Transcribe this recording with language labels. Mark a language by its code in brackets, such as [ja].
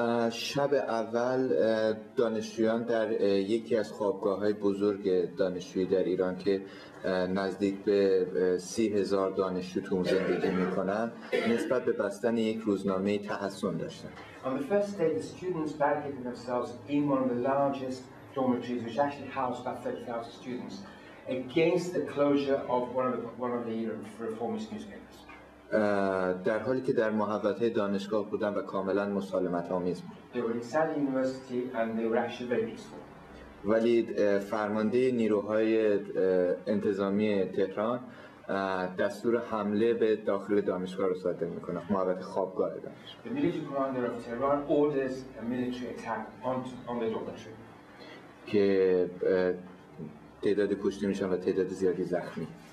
[fa] شب اول دانشجویان در یکی از خوابگاه‌های بزرگ دانشجویی در ایران که نزدیک به 30,000 دانشجو تو اون زندگی می‌کنن نسبت به بستن یک روزنامه تحسن داشتن. [en] On the first day the students barricaded themselves in one of the largest dormitories which actually housed about 30,000 students against the closure of one of the reformist newspapers. [fa] در حالی که در محوطه دانشگاه بودن و کاملا مسالمت آمیز بود. [en] They were inside the university and they were actually very peaceful. [fa] ولی فرمانده نیروهای انتظامی تهران دستور حمله به داخل دانشگاه رو صادر میکنه. محوطه خوابگاه دانشگاه. [en] The military commander of Tehran orders a military attack on the dormitory. [fa] که تعداد کشته میشن و تعداد زیادی زخمی.